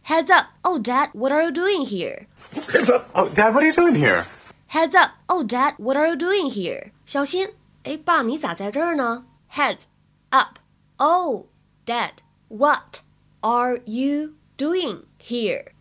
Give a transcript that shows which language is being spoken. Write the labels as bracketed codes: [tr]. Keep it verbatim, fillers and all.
[en] Heads up, oh dad, what are you doing here? Heads up, oh dad, what are you doing here? Heads up, oh dad, what are you doing here? [zh] 小心，哎爸，你咋在这儿呢？ [en] Heads up, oh dad, what are you doing here?